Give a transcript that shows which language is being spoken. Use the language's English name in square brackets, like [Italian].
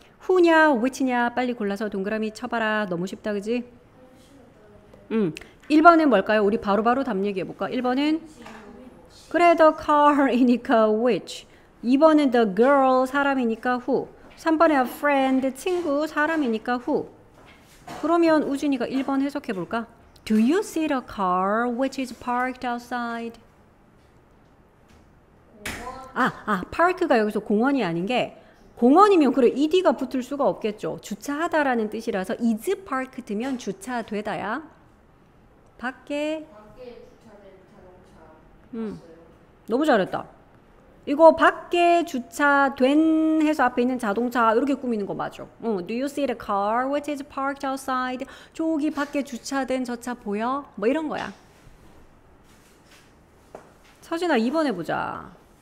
[Korean] who냐, which냐 빨리 골라서 동그라미 쳐봐라. 너무 쉽다, 그지? 1번은 뭘까요? 우리 바로바로 답 얘기해볼까? 1번은? 그래, the car이니까 which. 2번은 the girl, 사람이니까 who. 3번에 a friend, 친구, 사람이니까 who. 그러면 우진이가 1번 해석해볼까? [English] Do you see the car which is parked outside? [Korean] 파크가 여기서 공원이 아닌 게 공원이면 그래 ed가 붙을 수가 없겠죠. 주차하다라는 뜻이라서 is parked면 주차되다야. 밖에. 너무 잘했다. 이거 밖에 주차된 해서 앞에 있는 자동차 이렇게 꾸미는 거 맞죠? [English] Do you see the car which is parked outside? [Korean] 저기 밖에 주차된 저차 보여? 뭐 이런 거야. 서진아, 2번 해보자.